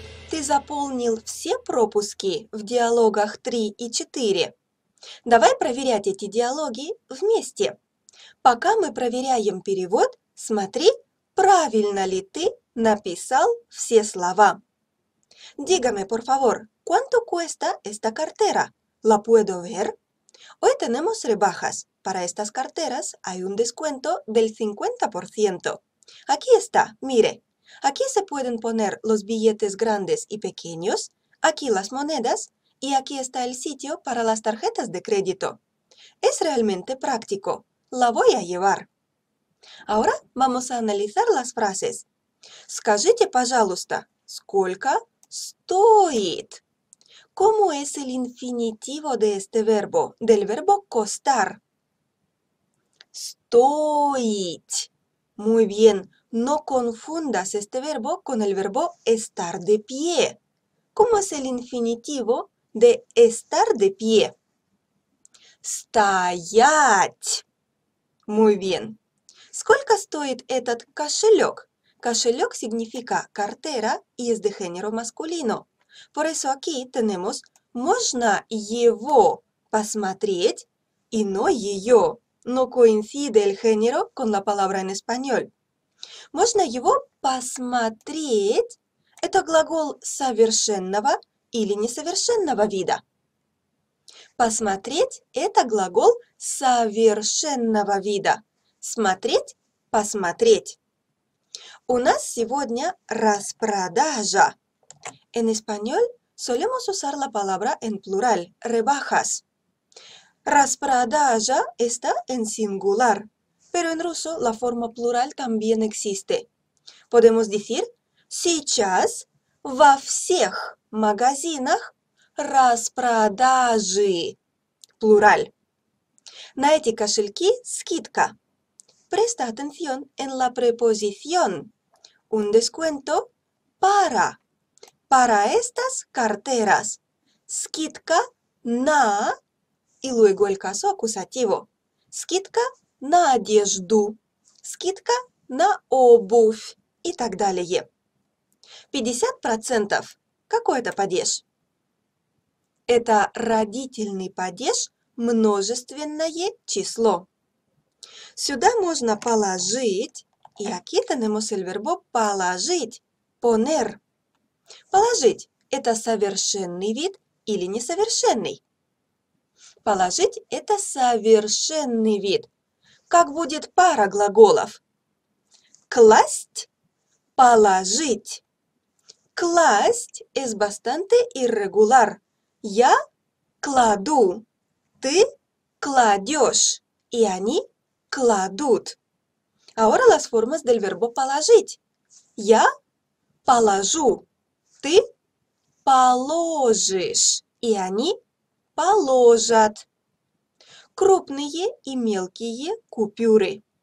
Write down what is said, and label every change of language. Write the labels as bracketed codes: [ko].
[ru] Ты заполнил все пропуски в диалогах 3 и 4. Давай проверять эти диалоги вместе. Пока мы проверяем перевод, смотри, правильно ли ты написал все слова. [es] Dígame, por favor, ¿cuánto cuesta esta cartera? ¿La puedo ver? Hoy tenemos rebajas. Para estas carteras hay un descuento del 50%. Aquí está, mire. Aquí se pueden poner los billetes grandes y pequeños, aquí las monedas y aquí está el sitio para las tarjetas de crédito. Es realmente práctico. La voy a llevar. Ahora vamos a analizar las frases. [ru] Скажите, пожалуйста, ¿сколько? Стоит. [es] ¿Cómo es el infinitivo de este verbo? Del verbo costar. Стоит. Muy bien. No confundas este verbo con el verbo estar de pie. ¿Cómo es el infinitivo de estar de pie? Стоять. Muy bien. [ru] ¿Сколько стоит этот кошелек? [es] Кошелек significa cartera y es de género masculino. Por eso aquí tenemos [ru] можно его посмотреть [es] y no ее. No coincide el género con la palabra en español. [ru] Можно его посмотреть – это глагол совершенного или несовершенного вида. Посмотреть – это глагол совершенного вида. Смотреть – посмотреть. У нас сегодня распродажа. [es] En español solemos usar la palabra en plural, rebajas. Распродажа está en singular, pero en ruso la forma plural también existe. Podemos decir, [ru] сейчас во всех магазинах распродажи. Plural. На эти кошельки скидка. [es] Presta atención en la preposición. Un descuento para. Para estas carteras. [ru] Скидка на. [es] И luego el caso acusativo. [ru] Скидка на одежду. Скидка на обувь. И так далее. 50%. Какой это падеж? Это родительный падеж, множественное число. Сюда можно положить, и [es] aquí tenemos el verbo положить, poner. [ru] Положить – это совершенный вид или несовершенный? Положить – это совершенный вид. Как будет пара глаголов? Класть, положить. [es] Класть es bastante irregular. [ru] Я кладу, ты кладешь, и они кладут. [es] Ahora las formas del verbo положить. [ru] Я положу, ты положишь, и они положат. Крупные и мелкие купюры.